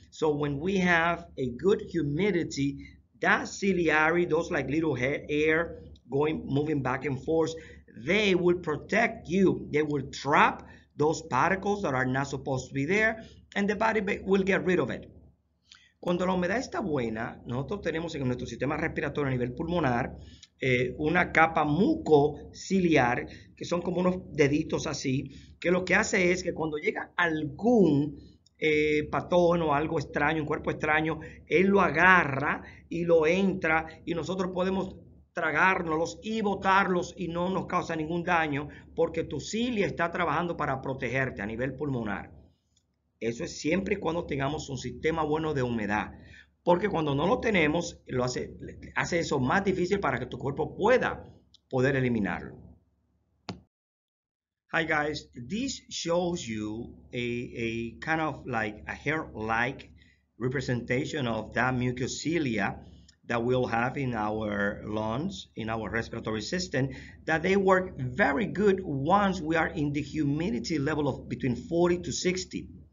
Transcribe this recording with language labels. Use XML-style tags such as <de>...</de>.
<en>So when we have a good humidity, that ciliary, those like little air going, moving back and forth, they will protect you. They will trap those particles that are not supposed to be there, and the body will get rid of it.</en> <es>Cuando la humedad está buena, nosotros tenemos en nuestro sistema respiratorio a nivel pulmonar una capa mucociliar, que son como unos deditos así, que lo que hace es que cuando llega algún patógeno, algo extraño, un cuerpo extraño, él lo agarra y lo entra, y nosotros podemos tragárnoslos y botarlos y no nos causa ningún daño porque tu cilia está trabajando para protegerte a nivel pulmonar. Eso es siempre y cuando tengamos un sistema bueno de humedad, porque cuando no lo tenemos, lo hace eso más difícil para que tu cuerpo pueda poder eliminarlo.</es> <en>Hi guys, this shows you a kind of like a hair-like representation of that mucocilia that we'll have in our lungs, in our respiratory system, that they work very good once we are in the humidity level of between 40 to 60.</en>